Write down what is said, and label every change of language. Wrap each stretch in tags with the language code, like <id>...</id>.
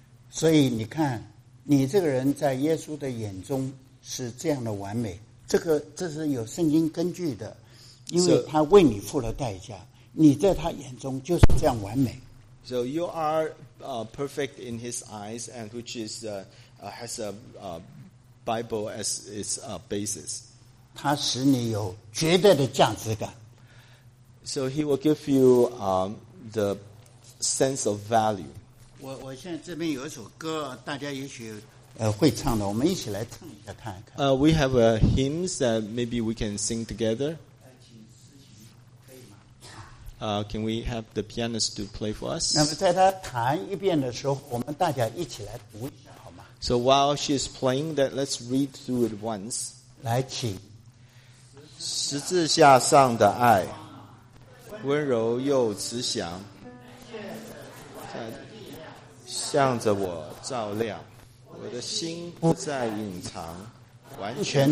<zh>所以你看，你这个人在耶稣的眼中是这样的完美。这是有圣经根据的，因为他为你付了代价，你在他眼中就是这样完美。</zh> <en>So you are perfect in his eyes, and which is has a Bible as its basis.</en> <zh>他使你有绝对的价值感。</zh> <en>So he will give you the sense of value.</en> <zh>我现在这边有一首歌，大家也许。会唱的，我们一起来唱一下看一看。</zh> <en>We have hymns that maybe we can sing together. Can we have the pianist to play for us?</en> <zh>那么在他弹一遍的时候，我们大家一起来读一下好吗</zh> <en>？So while she is playing that, let's read through it once.</en> <zh>来，请十字架上的爱，温柔又慈祥，向着我照亮，我的心不再隐藏，完全</zh>